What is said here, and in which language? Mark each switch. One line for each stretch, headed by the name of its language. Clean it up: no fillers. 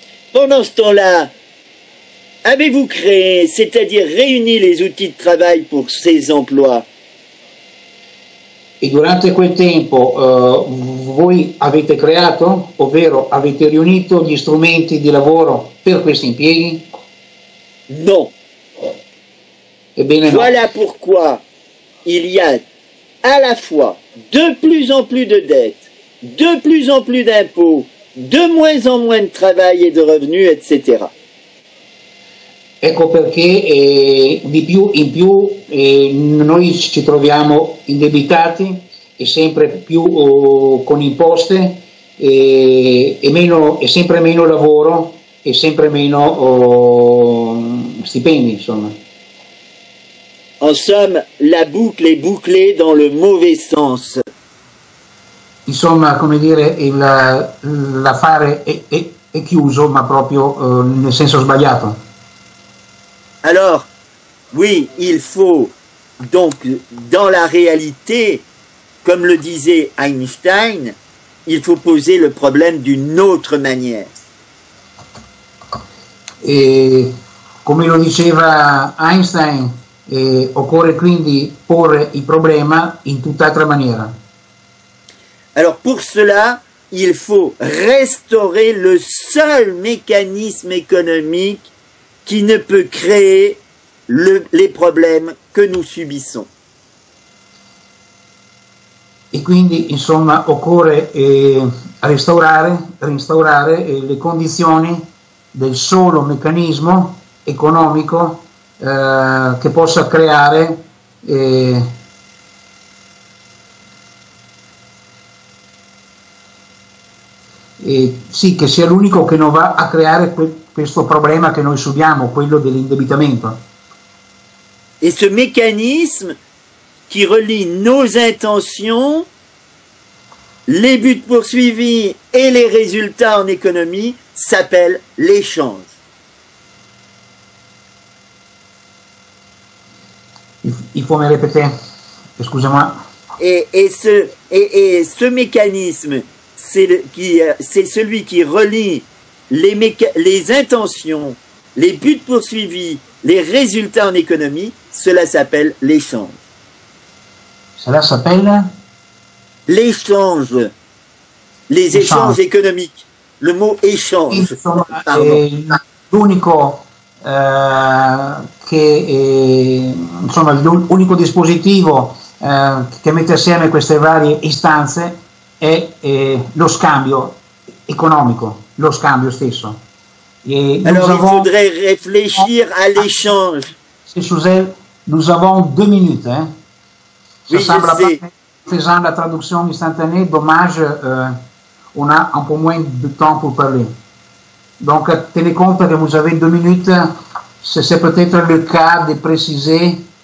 French: Pendant ce temps-là, avez-vous créé, c'est-à-dire réuni les outils de travail pour ces emplois?
Italian: E durante quel tempo voi avete creato, ovvero avete riunito gli strumenti di lavoro per questi impieghi? No. Ebbene,
French: voilà
Italian: no.
French: Pourquoi il y a à la fois de plus en plus de dettes, de plus en plus d'impôts, de moins en moins de travail et de revenus, etc.
Italian: Ecco perché di più in più noi ci troviamo indebitati e sempre più con imposte e sempre meno lavoro e sempre meno stipendi, insomma.
French: En somme, la boucle est bouclée dans le mauvais sens.
Italian: Insomma, come dire, l'affare è chiuso, ma proprio nel senso sbagliato.
French: Alors, oui, il faut, donc, dans la réalité, comme le disait Einstein, il faut poser le problème d'une autre manière.
Italian: Et, comme lo diceva Einstein, occorre quindi porre il problema in tutt'altra maniera.
French: Alors, pour cela, il faut restaurer le seul mécanisme économique qui ne peut créer les problèmes que nous subissons.
Italian: Et quindi, insomma, occorre restaurare le condizioni del solo meccanismo economico che possa creare sì, che sia l'unico che non va a creare questo problema che noi subiamo, quello dell'indebitamento.
French: Et ce mécanisme qui relie nos intentions, les buts poursuivis et les résultats en économie s'appelle l'échange. Il faut me répéter, excusez-moi. Et ce mécanisme, c'est celui qui relie les intentions, les buts poursuivis, les résultats en économie, cela s'appelle l'échange. Cela s'appelle l'échange. Les échanges économiques. Le mot échange.
Italian: Insomma, l'unico che insomma l'unico dispositivo che mette assieme queste varie istanze è lo scambio economico, lo scambio stesso.
French: Et alors il faudrait réfléchir à l'échange. Nous avons deux minutes. Hein. Ça semble faisant la traduction instantanée, dommage, on a un peu moins de temps pour parler. Donc, tenez compte que vous avez deux minutes, si c'est peut-être le cas de préciser.